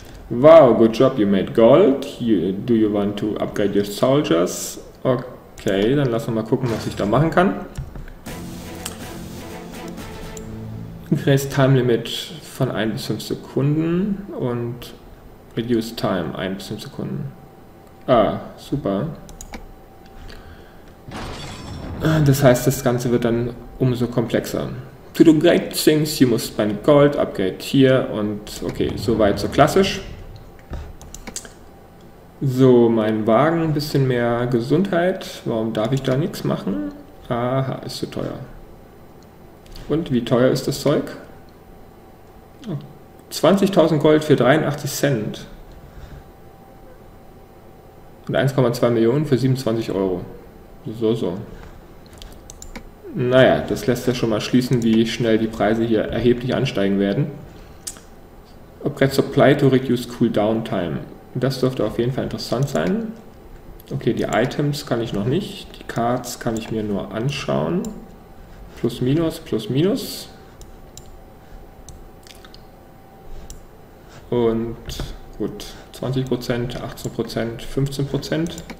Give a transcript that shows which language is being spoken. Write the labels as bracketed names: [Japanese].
[English] Wow, good job, you made gold. Do you want to upgrade your soldiers? [German] Okay, dann lassen wir mal gucken, was ich da machen kann. Increase Time Limit von 1 bis 5 Sekunden und Reduce Time 1 bis 5 Sekunden. Ah, super. Das heißt, das Ganze wird dann umso komplexer. [English] To do great things, you must spend gold, upgrade here [German] und okay, soweit so klassisch. So, mein Wagen, ein bisschen mehr Gesundheit. Warum darf ich da nichts machen? Aha, ist zu teuer. Und wie teuer ist das Zeug? 20.000 Gold für 83 Cent. Und 1,2 Millionen für 27 Euro. So, so. Naja, das lässt ja schon mal schließen, wie schnell die Preise hier erheblich ansteigen werden. [English] Upgrade Supply to reduce cooldown time. [German] Das dürfte auf jeden Fall interessant sein. Okay, die Items kann ich noch nicht. Die Cards kann ich mir nur anschauen. Plus, minus, plus, minus. Und gut, 20%, 18%, 15%.